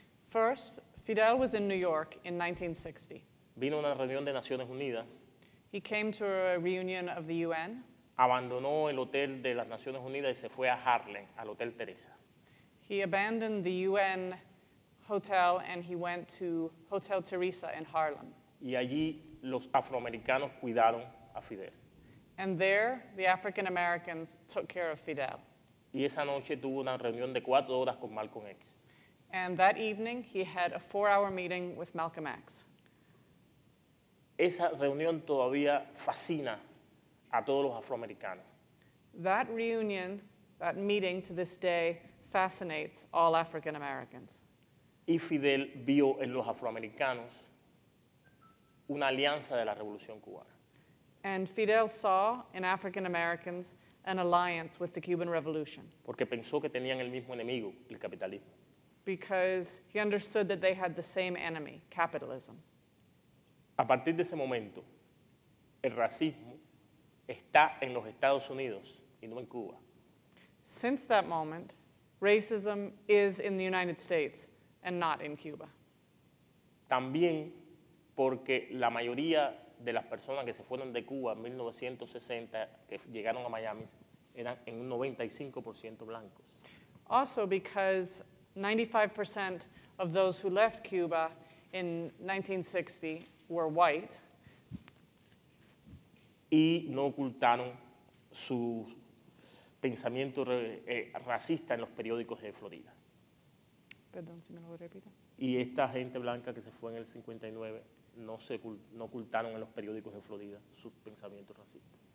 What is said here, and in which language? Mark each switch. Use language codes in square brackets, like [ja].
[en] First, Fidel was in New York in 1960. [es] Vino a una reunión de Naciones Unidas. [en] He came to a reunion of the UN. [es] Abandonó el hotel de las Naciones Unidas y se fue a Harlem, al Hotel Teresa. [en] He abandoned the UN hotel and he went to Hotel Teresa in Harlem. [es] Y allí los afroamericanos cuidaron a Fidel. [en] And there, the African Americans took care of Fidel. [es] Y esa noche tuvo una reunión de 4 horas con Malcolm X. [en] And that evening, he had a 4-hour meeting with Malcolm X. [es] Esa reunión todavía fascina a todos los afroamericanos. [en] That reunion, that meeting to this day, fascinates all African Americans. [es] Y Fidel vio en los afroamericanos una alianza de la Revolución Cubana. [en] And Fidel saw in African Americans an alliance with the Cuban Revolution. [es] Porque pensó que tenían el mismo enemigo, el capitalismo. [en] Because he understood that they had the same enemy, capitalism. [es] A partir de ese momento, el racismo está en los Estados Unidos y no en Cuba. [en] Since that moment, racism is in the United States and not in Cuba. [es] También porque la mayoría de las personas que se fueron de Cuba en 1960, que llegaron a Miami, eran en un 95% blancos. [en] Also because 95% of those who left Cuba in 1960 were white. [es] Y no ocultaron su pensamiento racista en los periódicos de Florida. Perdón, si me lo repito. Y esta gente blanca que se fue en el 59 no ocultaron en los periódicos de Florida sus pensamientos racistas.